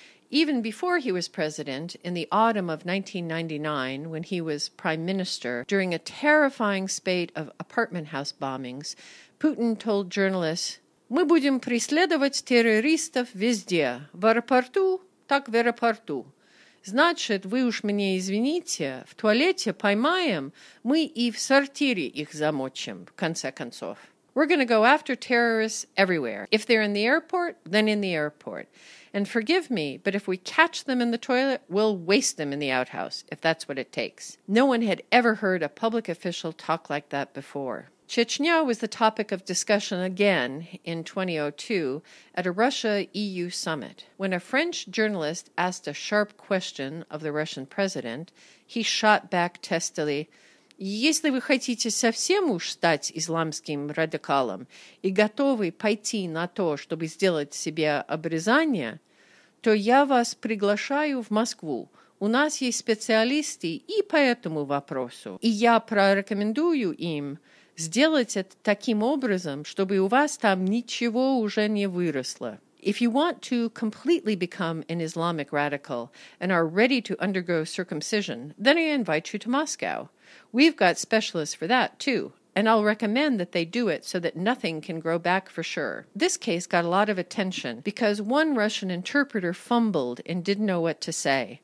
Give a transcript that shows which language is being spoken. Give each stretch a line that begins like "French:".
English: Even before he was president, in the autumn of 1999, when he was prime minister, during a terrifying spate of apartment house bombings, Putin told journalists,
Russian: «Мы будем преследовать террористов везде, в аэропорту, так в аэропорту. Значит, вы уж мне извините, в туалете поймаем, мы и в сортире их замочим, в конце концов».
English: We're going to go after terrorists everywhere. If they're in the airport, then in the airport. And forgive me, but if we catch them in the toilet, we'll waste them in the outhouse, if that's what it takes. No one had ever heard a public official talk like that before. Chechnya was the topic of discussion again in 2002 at a Russia-EU summit. When a French journalist asked a sharp question of the Russian president, he shot back testily,
Russian: «Если вы хотите совсем уж стать исламским радикалом и готовы пойти на то, чтобы сделать себе обрезание, то я вас приглашаю в Москву. У нас есть специалисты и по этому вопросу. И я прорекомендую им сделать это таким образом, чтобы у вас там ничего уже не выросло».
English: If you want to completely become an Islamic radical and are ready to undergo circumcision, then I invite you to Moscow. We've got specialists for that, too, and I'll recommend that they do it so that nothing can grow back for sure. This case got a lot of attention because one Russian interpreter fumbled and didn't know what to say.